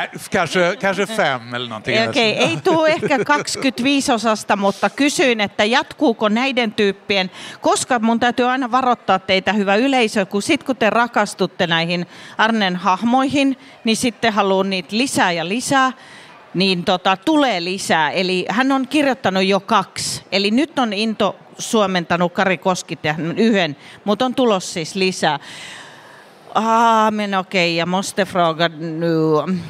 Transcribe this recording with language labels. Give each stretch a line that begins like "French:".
Swedish: Kanske fem eller någonting.
English: Okay.
Finnish: Ei tule ehkä 25 osasta, mutta kysyin, että jatkuuko näiden tyyppien, koska mun täytyy aina varoittaa teitä, hyvä yleisö, kun sitten kun te rakastutte näihin Arnen hahmoihin, niin sitten haluan niitä lisää ja lisää, niin tulee lisää. Eli hän on kirjoittanut jo 2, eli nyt on into suomentanut Kari Koski tehnyt 1, mutta on tulos siis lisää.
Swedish: Men okej, jag måste fråga nu.